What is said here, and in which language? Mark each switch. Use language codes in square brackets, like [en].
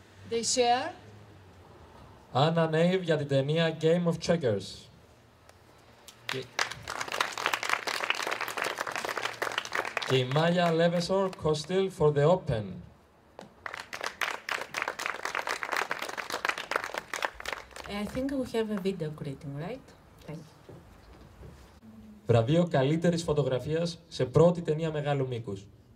[en] They share. [el] Άννα Νέιβ για την ταινία Game of Checkers. Και η Μάλια Λέβεσορ Κοστίλ for the Open. [en] I think we have a video greeting, right? Thank you. [el] Βραβείο καλύτερης φωτογραφίας σε πρώτη ταινία μεγάλου μήκους.